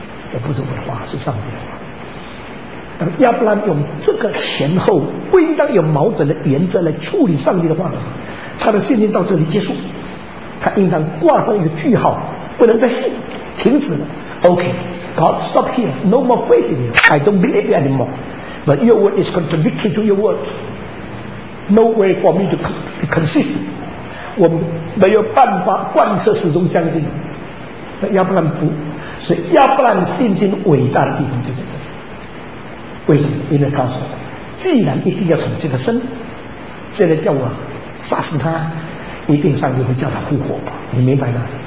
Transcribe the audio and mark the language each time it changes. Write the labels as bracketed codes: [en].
[zh] 这不是我的话，是上帝的话。当亚伯兰用这个前后不应当有矛盾的原则来处理上帝的话的话，他的信心到这里结束，他应当挂上一个句号，不能再信，停止了。 [en] Okay, God, stop here. No more faith in you. I don't believe you anymore. But your word is contradictory to your word. No way for me to be consistent. [zh] 我没有办法贯彻始终相信。那亚伯兰不，所以亚伯兰信心伟大的地方就在这里。为什么？因为他说，既然一定要从这个生，现在叫我杀死他，一定上帝会叫他复活吧？你明白吗？